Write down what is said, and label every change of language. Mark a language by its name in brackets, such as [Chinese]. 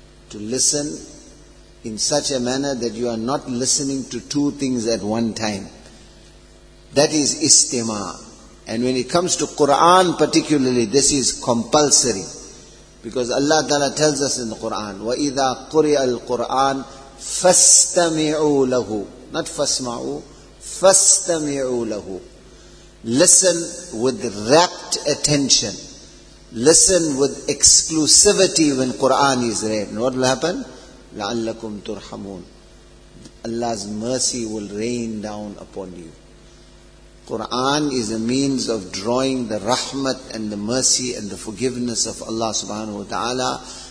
[English] To listen in such a manner that you are not listening to two things at one time. That is istima. And when it comes to Quran particularly, this is compulsory. Because Allah Ta'ala tells us in the Quran, [Arabic] وَإِذَا قُرِئَ الْقُرْآنِ فَاسْتَمِعُوا لَهُ. Not فَاسْمَعُوا, فَاسْتَمِعُوا لَهُ. [English] Listen with rapt attention. Listen with exclusivity when Quran is read. And what will happen? [Arabic] لَعَلَّكُمْ تُرْحَمُونَ. [English] Allah's mercy will rain down upon you. Quran is a means of drawing the rahmat and the mercy and the forgiveness of Allah subhanahu wa ta'ala.